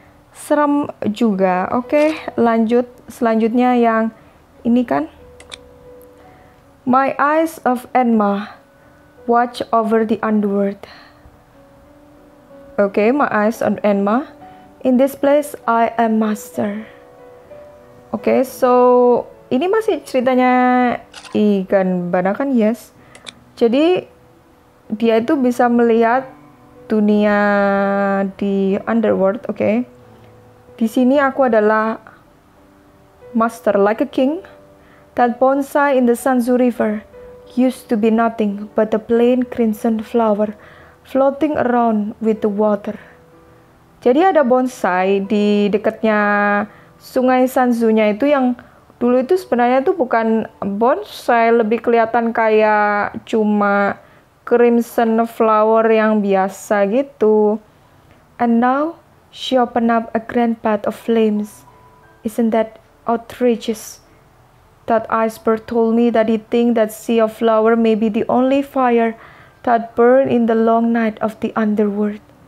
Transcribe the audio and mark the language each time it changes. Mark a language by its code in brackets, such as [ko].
[id] Serem juga. Okay, lanjut selanjutnya yang ini kan. [en] My eyes of Enma watch over the underworld. Okay, my eyes on Enma. In this place, I am master. [id] Okay, so ini masih ceritanya Igan Bana kan, yes. Jadi, dia itu bisa melihat dunia di underworld, okay. Di sini aku adalah master [en] like a king. That bonsai in the Sanzu River used to be nothing but a plain crimson flower floating around with the water. [id] Jadi ada bonsai di dekatnya sungai Sanzunya itu yang dulu itu sebenarnya itu bukan bonsai, lebih kelihatan kayak cuma crimson flower yang biasa gitu. [en] And now she opened up a grand path of flames. Isn't that outrageous? That iceberg told me that he think that sea of flower may be the only fire that burn in the long night of the underworld.